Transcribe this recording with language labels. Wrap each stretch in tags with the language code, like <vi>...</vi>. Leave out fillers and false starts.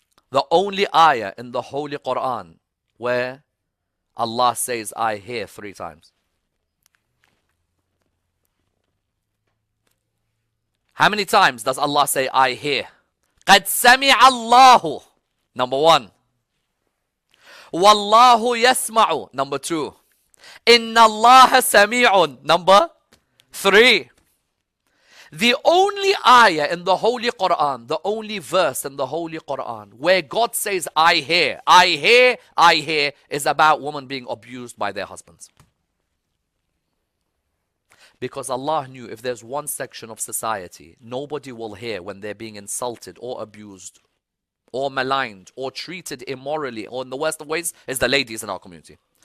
<en>The only ayah in the Holy Quran where Allah says, I hear three times. How many times does Allah say, I hear?</en> <ar>قَدْ سَمِعَ اللَّهُ</ar> <en>Number one.</en> <ar>وَاللَّهُ يَسْمَعُ</ar> <en>Number two.</en> <ar>إِنَّ اللَّهَ سَمِيعٌ</ar> <en>Number three. The only ayah in the Holy Quran, the only verse in the Holy Quran where God says, I hear, I hear, I hear, is about women being abused by their husbands. Because Allah knew if there's one section of society, nobody will hear when they're being insulted or abused or maligned or treated immorally or in the worst of ways, is the ladies in our community.</en>